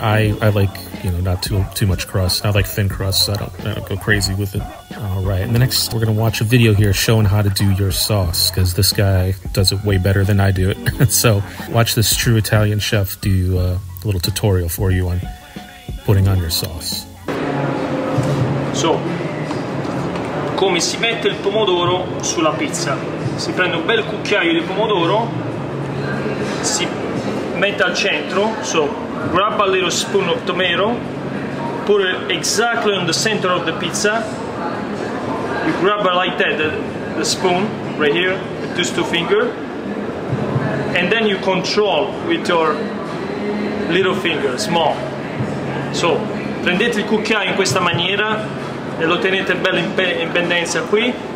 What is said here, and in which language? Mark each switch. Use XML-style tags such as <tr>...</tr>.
<en>I like, not too much crust. I like thin crust, so I don't go crazy with it. All right, and the next we're going to watch a video here showing how to do your sauce, because this guy does it way better than I do it. So watch this true Italian chef do a little tutorial for you on putting on your sauce.</en> <it>So, come si mette il pomodoro sulla pizza? Si prende un bel cucchiaio di pomodoro, si mette al centro.</it> <en>So, grab a little spoon of tomato, put it exactly on the center of the pizza. You grab it like that, the spoon right here, with just 2 fingers, and then you control with your little finger, small.</en> <it>So, prendete il cucchiaio in questa maniera e lo tenete bello in pendenza qui.</it>